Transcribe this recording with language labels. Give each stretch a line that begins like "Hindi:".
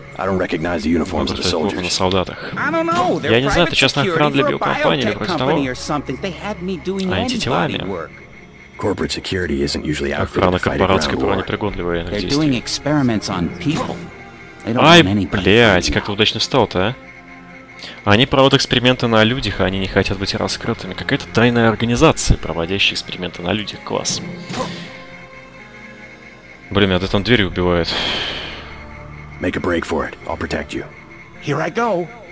English: I don't recognize the uniforms of the soldiers. I don't know.
Russian: Я не знаю, это частная охрана для биокомпании или просто того.
English: They had me doing anti-tamale work. Corporate security isn't usually outfitted for fighting ground war. They're doing experiments on people.
Russian: Ай, блять, как-то удачно встал-то, а? Они проводят эксперименты на людях, а они не хотят быть раскрытыми. Какая-то тайная организация, проводящая эксперименты на людях. Класс. Блин, меня там двери убивают.
English: Make a break for it. I'll protect you. Here I go.